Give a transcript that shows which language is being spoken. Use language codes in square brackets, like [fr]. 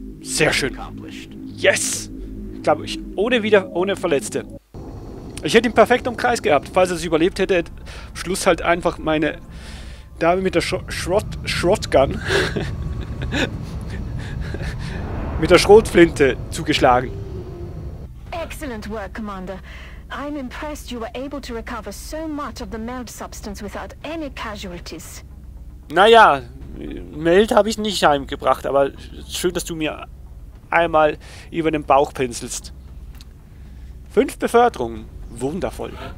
[de] Sehr schön. Yes! Glaube ich. Ohne Verletzte. Ich hätte ihn perfekt im Kreis gehabt. Falls er es überlebt hätte, Schluss halt einfach meine Dame mit der Schrottgun. mit der Schrotflinte zugeschlagen. [en] Excellent work, Commander. I'm impressed you were able to recover so much of the meld substance without any casualties. [de] Naja, Meld habe ich nicht heimgebracht, aber schön, dass du mir einmal über den Bauch pinselst. 5 Beförderungen. Wundervoll.